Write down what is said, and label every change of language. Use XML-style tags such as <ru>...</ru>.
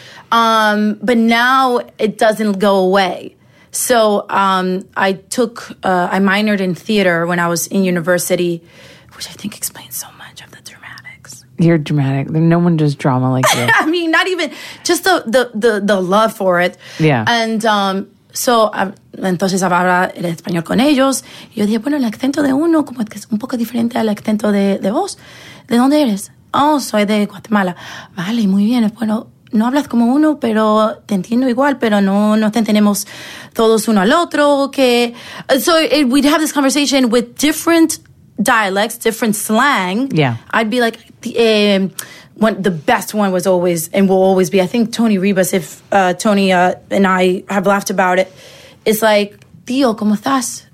<en>But now it doesn't go away. So I minored in theater when I was in university, which I think explains so much of the dramatics. You're dramatic. No one does drama like you. I mean, not even, just the love for it. Yeah. And so,</en> <es>entonces hablaba el español con ellos. Y yo dije, bueno, el acento de uno como que es un poco diferente al acento de vos. ¿De dónde eres? Oh, soy de Guatemala. Vale, muy bien. Bueno, no hablas como uno, pero te entiendo igual, pero no te entendemos todos uno al otro.</es> <en>Okay. So we'd have this conversation with different dialects, different slang. Yeah. I'd be like, the best one was always and will always be, I think Tony Rivas, if Tony and I have laughed about it, it's like,</en> <es>tío, ¿cómo estás?</es>